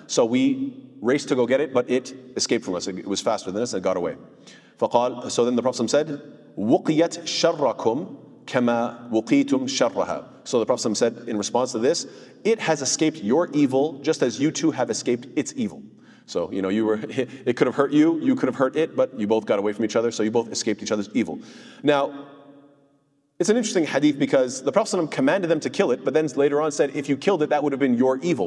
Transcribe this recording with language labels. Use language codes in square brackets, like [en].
[en] So we raced to go get it, but it escaped from us. It was faster than us and it got away. [ar] فقال, [en] so then the Prophet said, [ar] وقيت شركم كما وقيتم شرها. [en] So the Prophet said in response to this, it has escaped your evil just as you too have escaped its evil. So, you know, it could have hurt you, you could have hurt it, but you both got away from each other, so you both escaped each other's evil. Now, it's an interesting hadith because the Prophet ﷺ commanded them to kill it, but then later on said, if you killed it, that would have been your evil.